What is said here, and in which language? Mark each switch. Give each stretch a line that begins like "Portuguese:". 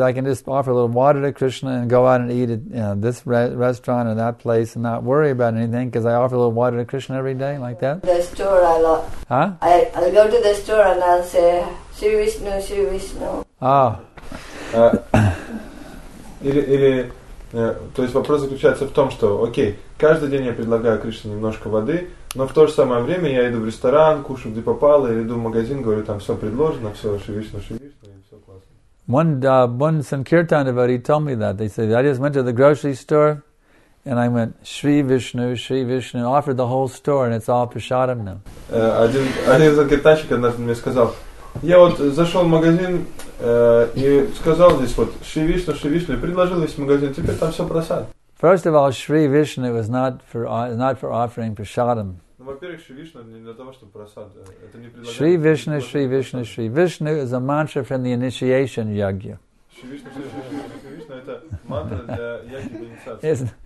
English: I can just offer a little water to Krishna and go out and eat at this restaurant or that place and not worry about anything because I offer a little water to Krishna every day like that? The store I'll go to the store and I'll say, Sri Vishnu, Sri Vishnu. Oh.
Russian: То есть вопрос заключается в том, что, окей, каждый день я предлагаю Кришне немножко воды, но в то же самое время я иду в ресторан, кушаю где попало, или иду в магазин, говорю, там все предложено, все шевишно, и все классно.
English: One Sankirtan devotee told me that. They said, I just went to the grocery store, and I went, Shri Vishnu, Shri Vishnu, offered the whole store, and it's all prasadam now.
Russian: Один Sankirtanщик однажды мне сказал, я вот зашел в магазин и сказал здесь вот Шри Вишну, Шри Вишну, и предложил весь магазин, теперь там все просад.
English: First of all, Шри Вишну was not for offering prasadam.
Russian: Ну, во-первых, Шри Вишну не для того, чтобы просад. Это не предлагает.
English: Шри Вишну, Шри Вишну, Шри Вишну is a mantra from the initiation yagya.
Russian: Шри Вишну, Шри Вишну, Шри Вишну это мантра для яги инициации.